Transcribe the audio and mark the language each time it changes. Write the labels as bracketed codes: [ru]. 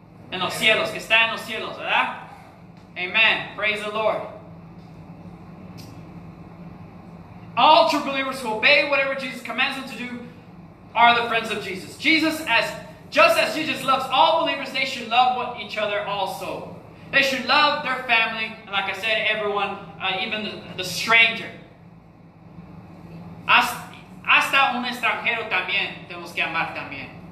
[es] En los cielos, que está en los cielos, ¿verdad? [en] Amen. Praise the Lord. All true believers who obey whatever Jesus commands them to do are the friends of Jesus. Just as Jesus loves all believers, they should love each other also. They should love their family, and like I said, everyone, even the stranger. [es] Hasta un extranjero también tenemos que amar también.